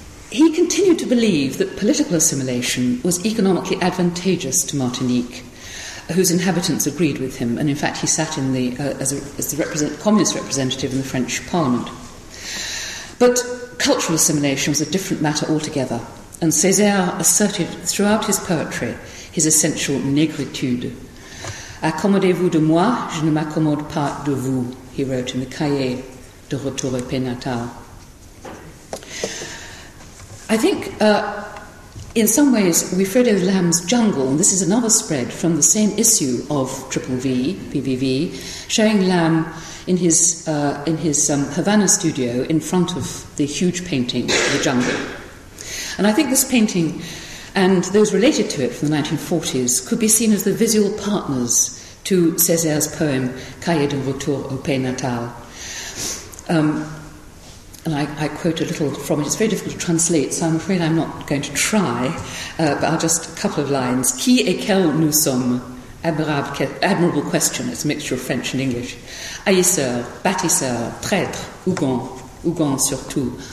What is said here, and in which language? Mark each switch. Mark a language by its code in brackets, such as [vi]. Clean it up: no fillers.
[en] He continued to believe that political assimilation was economically advantageous to Martinique, whose inhabitants agreed with him, and in fact he sat in the communist representative in the French Parliament. But cultural assimilation was a different matter altogether, and Césaire asserted throughout his poetry his essential négritude. [fr] Accommodez-vous de moi, je ne m'accommode pas de vous, [en] he wrote in the [fr] Cahier de Retour au Pays Natal. [en] I think in some ways, Wilfredo Lam's Jungle, and this is another spread from the same issue of Triple V, PVV, showing Lam in his Havana studio in front of the huge painting, The Jungle. And I think this painting and those related to it from the 1940s could be seen as the visual partners to Césaire's poem Cahier de retour au pays natal. And I quote a little from it. It's very difficult to translate, so I'm afraid I'm not going to try, but I'll just a couple of lines. [fr] Qui et quel nous sommes? Admirable question. [en] It's a mixture of French and English. [fr] Haïsseur, bâtisseur, traître, Hugon, Hugon surtout.